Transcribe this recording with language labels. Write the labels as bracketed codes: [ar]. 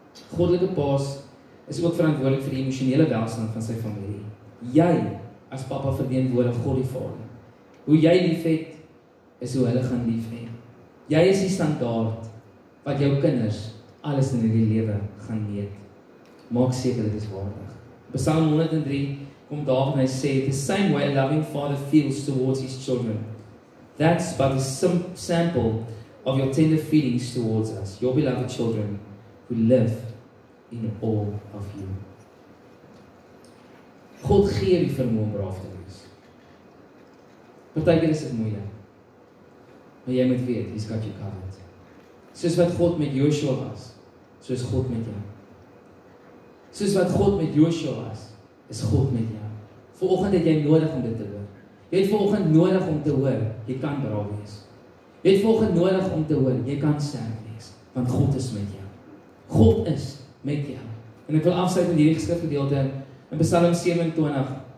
[af] Goddelike paas is ook verantwoordelik vir die emosionele welstand van sy familie. Jy, as papa verteenwoordig God die Vader, hoe jy lief het, is hoe hulle gaan lief hê. Jy is die standaard wat jou kinders alles in die lewe gaan meet. Maak seker dit is waardig. Psalm 103 kom David en hy sê, [en] the same way a loving father feels towards his children, that's but a sample of your tender feelings towards us, your beloved children, who live in all of you. [af] God gee die vermoë om braaf te wees. Partykeer is dit moeilik. Maar jy moet weet, [en] he's got you covered. [af] Soos wat God met Joshua was, soos God met jou. Soos wat God met Joshua was, is God met jou. Vanoggend het jy nodig om dit te hoor. Jy het vanoggend nodig om te hoor, jy kan braaf wees. Jy het vanoggend nodig om te hoor, jy kan sterk wees, want God is met jou. God is met jou. En ek wil afsluit met hierdie geskrifgedeelte in Psalm 27.